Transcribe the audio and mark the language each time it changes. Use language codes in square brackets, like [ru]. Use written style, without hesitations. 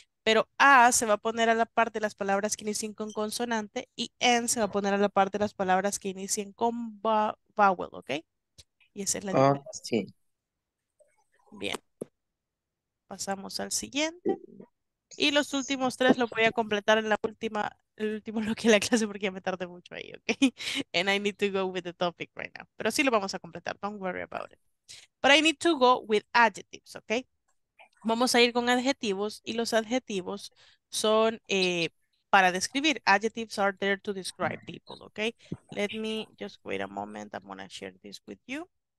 [es] Pero A se va a poner a la parte de las palabras que inician con consonante y N se va a poner a la parte de las palabras que inician con vowel, ¿ok? Y esa es la diferencia. Sí. Bien. Pasamos al siguiente. Y los últimos tres lo voy a completar en la última, el último bloque de la clase porque ya me tardé mucho ahí, ¿ok? [en] And I need to go with the topic right now. [es] Pero sí lo vamos a completar, [en] don't worry about it. But I need to go with adjectives, ¿ok? [es] Vamos a ir con adjetivos y los adjetivos son para describir. [en] Adjectives are there to describe people, ¿ok? Let me just wait a moment, I'm going to share this with you.